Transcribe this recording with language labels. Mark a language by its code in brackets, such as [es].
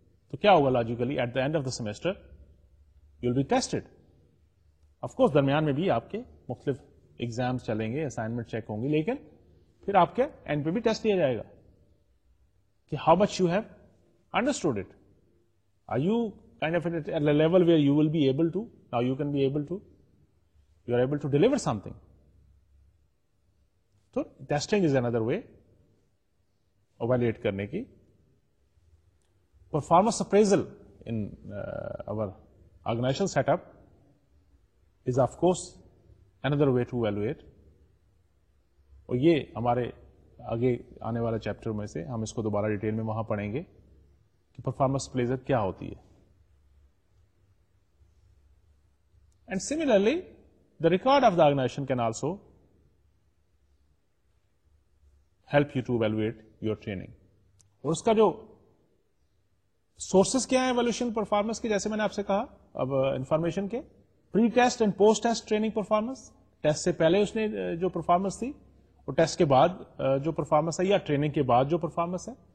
[ur] تو کیا ہوگا [en] Logically at the end of the semester you will be tested. Of course [ur] درمیان میں بھی آپ کے مختلف ایگزامس چلیں گے, اسائنمنٹ چیک ہوں گی, لیکن پھر آپ کے اینڈ پہ بھی ٹیسٹ لیا جائے گا کہ [en] How much you have understood it, are you kind of at a level where you will be able to, now you can be able to, you are able to deliver something. [ur] تو testing is اندر وے اویلیٹ کرنے کی. [en] Performance appraisal in our organizational setup is of course another way to evaluate. [ur] اور یہ ہمارے آگے آنے والا chapter میں سے ہم اس کو دوبارہ ڈیٹیل میں وہاں پڑھیں گے کہ پرفارمنس اپریزل کیا ہوتی ہے. [en] And similarly, the record of the organization can also help you to evaluate your training. [ur] اور اس کا جو سورسز کیا ہیں ایولیوشن پرفارمنس کے, جیسے میں نے آپ سے کہا اب انفارمیشن کے, pre test and post test training performance, test سے پہلے اس نے جو پرفارمنس تھی اور ٹیسٹ کے بعد جو پرفارمنس ہے یا ٹریننگ کے بعد جو پرفارمنس ہے.